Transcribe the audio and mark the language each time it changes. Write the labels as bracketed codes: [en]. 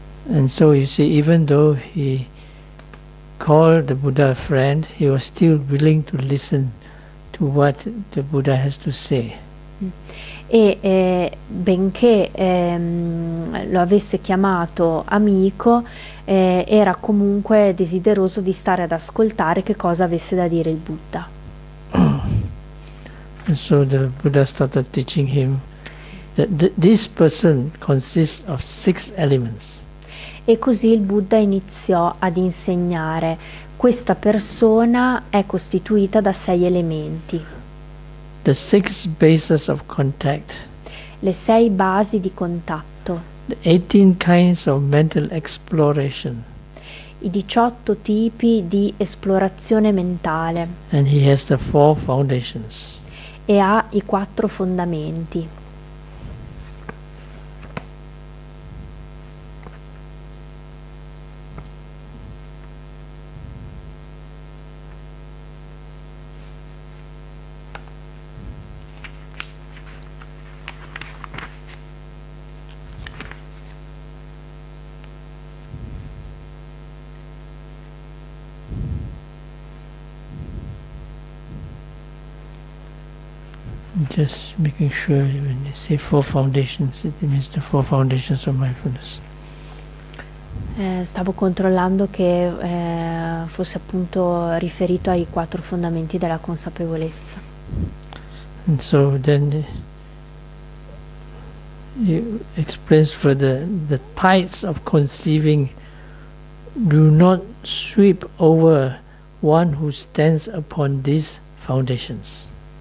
[en] And so you see, even though he called the Buddha a friend, he was still willing to listen to what the Buddha has to say. [it] Benché lo avesse chiamato amico, era comunque desideroso di stare ad ascoltare che cosa avesse da dire il Buddha. [en] And so the Buddha started teaching him that this person consists of six elements. [it] E così il Buddha iniziò ad insegnare: questa persona è costituita da sei elementi. [en] The six bases of contact. [it] Le sei basi di contatto. [en] The 18 kinds of mental exploration. [it] I 18 tipi di esplorazione mentale. [en] And he has the four foundations. [it] E ha i quattro fondamenti. [en] Just making sure when you say four foundations, it means the four foundations of mindfulness. [it] Stavo controllando che fosse appunto riferito ai quattro fondamenti della consapevolezza. [en] And so then he explains further, the tides of conceiving do not sweep over one who stands upon these foundations.